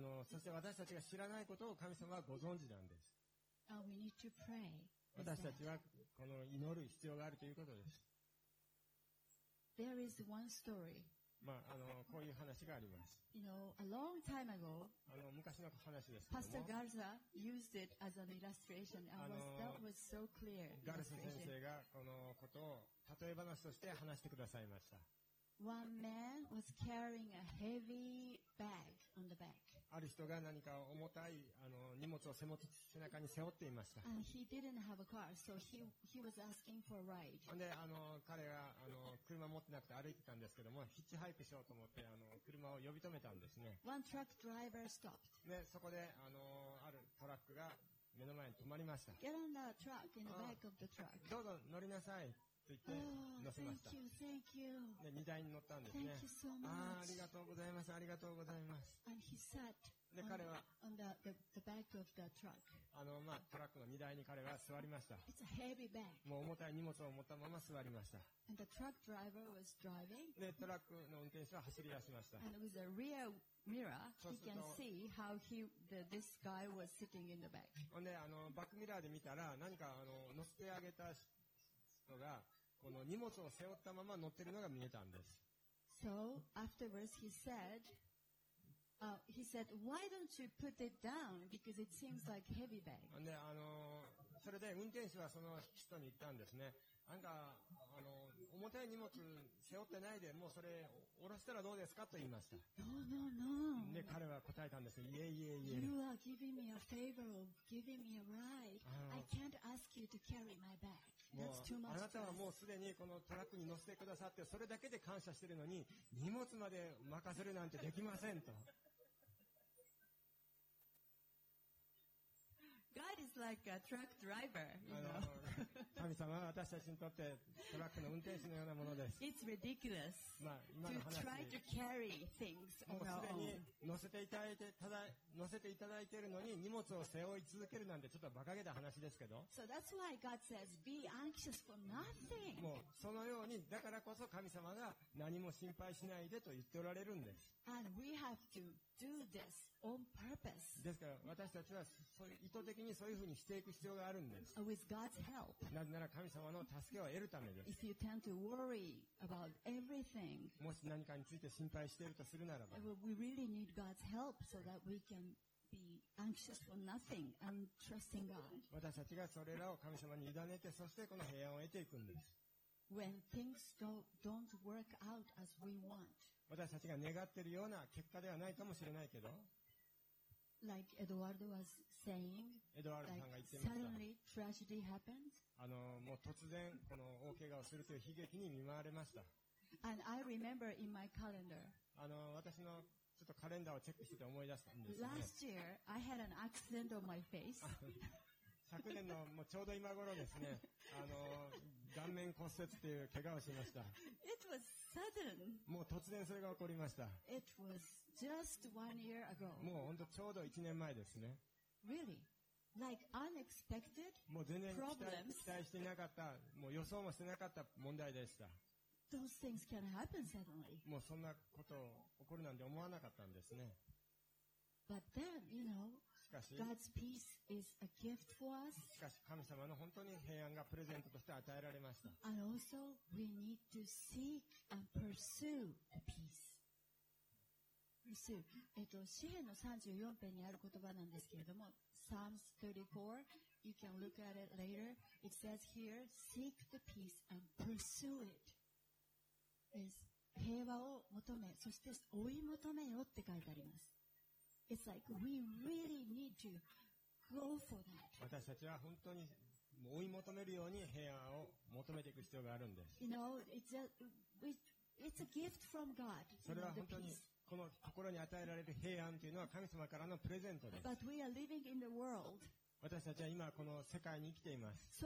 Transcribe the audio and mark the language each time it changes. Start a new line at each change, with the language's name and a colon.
Japanese: そして私たちが知らないことを神様はご存知なんです
English: We need to pray.
Japanese: 私たちはこの祈る必要があるということです。
English: There is one story.
Japanese: こういう話があります。
English: You know, a long time ago,
Japanese: 昔の話ですけども。
English: Pastor Garza used it as an illustration, and that was so clear.
Japanese: ガルサ先生がこのことを例え話として話してくださいました。
English: One man was carrying a heavy bag on the back.
Japanese: ある人が何か重たい荷物を背中に背負っていました。
English: And he didn't have a car, so he was asking for a ride.
Japanese: で、彼が車持ってなくて歩いてたんですけども、ヒッチハイクしようと思って車を呼び止めたんですね。
English: One truck driver stopped.
Japanese: で、そこであるトラックが目の前に止まりました。
English: Get on the truck in the back of the truck.
Japanese: どうぞ乗りなさい。と言って乗せました。
English: Oh, thank you, thank you.
Japanese: で、荷台に乗ったんですね。
English: Thank you so much.
Japanese: ありがとうございます。ありがとうございます。
English: And he sat
Japanese: で、彼は
English: on the back of the truck.
Japanese: あの、まあ、トラックの荷台に彼は座りました。
English: It's a heavy bag.
Japanese: もう重たい荷物を持ったまま座りました。
English: And the truck driver was driving.
Japanese: で、トラックの運転手は走り出しました。
English: And with a rear mirror, he can see how he, the, this guy was sitting in the back.
Japanese: で、あの、バックミラーで見たら、何かあの乗せてあげた人が、この荷物を背負ったまま乗ってるのが見えたんです。
English: So, afterwards he said,why don't you put it down? Because it seems like heavy bag.
Japanese: で、あの、それで運転手はその人に言ったんですね。なんか、あの、重たい荷物背負ってないで、もうそれ下ろしたらどうですかと言いました。
English: No, no, no.
Japanese: で、彼は答えたんです。いえいえいえ。
English: You are giving me a favor of giving me a ride. I can't ask you to carry my bag.
Japanese: もうあなたはもうすでにこのトラックに乗せてくださってそれだけで感謝してるのに荷物まで任せるなんてできませんと。
English: God is like a truck driver, you know?
Japanese: 神様は私たちにとってトラックの運転手のようなものです。
English: It's ridiculous、
Japanese: まあ、今の話
English: to try to carry things on our own.
Japanese: もうすでに乗せていただいて、ただ乗せていただいているのに荷物を背負い続けるなんてちょっと馬鹿げた話ですけど。
English: So that's why God says, be anxious for nothing.
Japanese: もうそのようにだからこそ神様が何も心配しないでと言っておられるんです。
English: And we have to do this on purpose.
Japanese: ですから私たちはそういう意図的にそういうふうにしていく必要があるんです。
English: With God's help.
Japanese: なぜなら神様の助けを得るためです。
English: If you tend to worry about everything,
Japanese: もし何かについて心配しているとするならば、
English: we really need God's help so that we can be anxious for nothing and trusting God.
Japanese: 私たちがそれらを神様に委ねて、そしてこの平安を得ていくんです。
English: When things don't work out as we want,
Japanese: 私たちが願っているような結果ではないかもしれないけど、
English: Like Edward was saying, like suddenly tragedy happened.
Japanese: あの、もう突然この大怪我をするという悲劇に見舞われました。
English: And I remember in my calendar.
Japanese: あの、私のちょっとカレンダーをチェックしてて思い出したんですね。
English: Last year, I had an accident on my face.
Japanese: 昨年のもうちょうど今頃ですね、あの、顔面骨折っていう怪我をしました。
English: It was sudden.
Japanese: もう突然それが起こりました。
English: It was just one year ago.
Japanese: もう本当ちょうど1年前ですね。
English: Really? Like unexpected problems.
Japanese: もう全然期待していなかった、もう予想もしてなかった問題でした。
English: Those things can happen suddenly.
Japanese: もうそんなこと起こるなんて思わなかったんですね。
English: But then, you know,God's peace is a gift for us.
Japanese: しかし神様の本当に平安がプレゼントとして与えられました。
English: And also we need to seek and pursue the peace. Pursue.
Japanese: 詩編の34編にある言葉なんですけれども、
English: Psalms 34, you can look at it later. It says here, seek the peace and pursue it.
Japanese: Is 平和を求め、そして追い求めよって書いてあります。
English: It's like we really need to go for that.
Japanese: 私たちは本当に追い求めるように平安を求めていく必要があるんです。
English: You know, it's a gift from God.
Japanese: それは本当にこの心に与えられる平安というのは神様からのプレゼントです。
English: But we are living in the world.
Japanese: 私たちは今この世界に生きています。